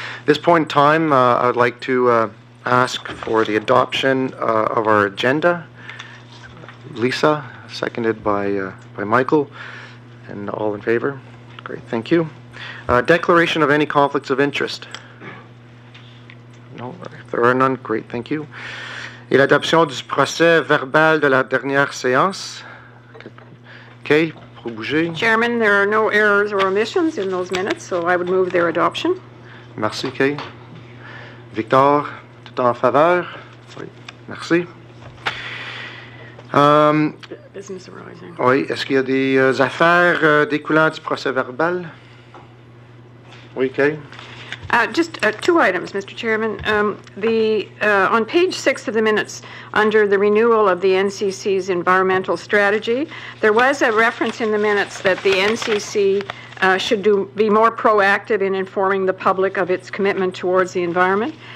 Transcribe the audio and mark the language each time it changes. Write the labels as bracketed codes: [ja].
[en] At this point in time, I would like to ask for the adoption of our agenda. Lisa, seconded by Michael, and all in favor. Great, thank you. Declaration of any conflicts of interest. No, if there are none, great, thank you. [fr] Et l'adoption du procès verbal de la dernière séance. Okay, pour bouger. [en] Chairman, there are no errors or omissions in those minutes, so I would move their adoption. [fr] Merci, Kay. Victor, tout en faveur. Oui, merci. [en] Business arising. [fr] Oui, est-ce qu'il y a des affaires découlant du procès verbal? Oui, Kay. [en] Just two items, Mr. Chairman. On page 6 of the minutes, under the renewal of the NCC's environmental strategy, there was a reference in the minutes that the NCC should be more proactive in informing the public of its commitment towards the environment.